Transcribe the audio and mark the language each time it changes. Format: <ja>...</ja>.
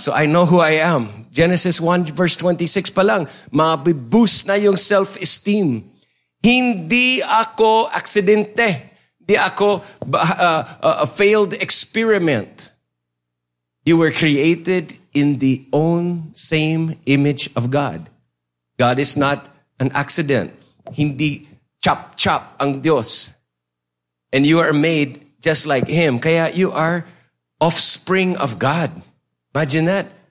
<en>So I know who I am. Genesis 1 verse 26</en> <tl>pa lang, mabiboost na yung</tl> <en>self-esteem.</en> <tl>Hindi ako aksidente. Hindi ako</tl> <en>a failed experiment. You were created in the own same image of God. God is not an accident.</en> <tl>Hindi chap-chap ang Diyos.</tl> <en>And you are made just like Him.</en> <tl>Kaya</tl> <en>you are offspring of God. Imagine that.</en>